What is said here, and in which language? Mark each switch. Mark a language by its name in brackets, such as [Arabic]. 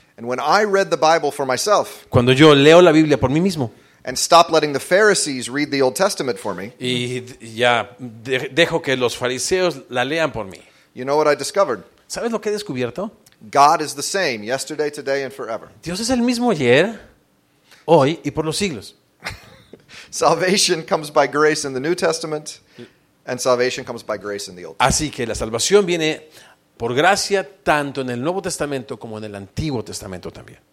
[English] And when I read the Bible for myself, [Spanish] cuando yo leo la Biblia por mí mismo, [English] and stop letting the Pharisees read the Old Testament for me, [Spanish] y ya dejo que los fariseos la lean por mí. [English] You know what I discovered? [Spanish] ¿Sabes lo que he descubierto? [English] God is the same yesterday, today, and forever. [Spanish] Dios es el mismo ayer, hoy y por los siglos. [English] Salvation comes by grace in the New Testament, and salvation comes by grace in the Old [Spanish] Testament. Así que la salvación viene por gracia, tanto en el Nuevo Testamento como en el Antiguo Testamento también.